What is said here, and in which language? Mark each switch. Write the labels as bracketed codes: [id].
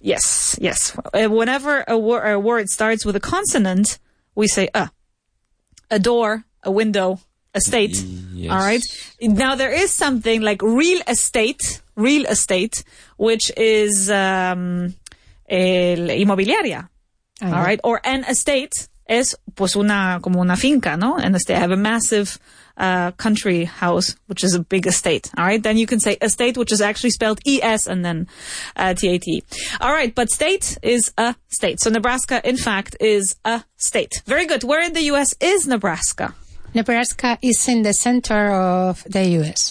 [en] Yes, yes. Whenever a word starts with a consonant, we say a. A door, a window, a state. Yes. All right. Now, there is something like real estate, which is el inmobiliaria. Uh-huh. All right. Or an estate [es] es pues una, como una finca, ¿no? [en] An estate. I have a massive country house, which is a big estate. All right. Then you can say estate, which is actually spelled E-S and then T-A-T-E. All right. But state is a state. So Nebraska, in fact, is a state. Very good. Where in the U.S. is Nebraska? Nebraska is in the center of the U.S.